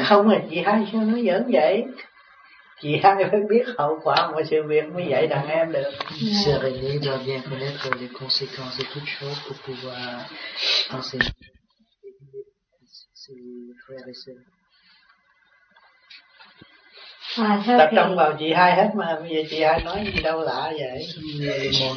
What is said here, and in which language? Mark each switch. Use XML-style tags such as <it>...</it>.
<vi>không à, chị hai sao nói giỡn vậy? Chị hai phải biết hậu quả mà sự việc mới dạy đàn em được.</vi> <fr>Serenity doit bien connaître les conséquences de toutes choses pour pouvoir enseigner.</fr> <vi>Tập trung vào chị hai hết mà bây giờ chị hai nói gì đâu lạ vậy.</vi>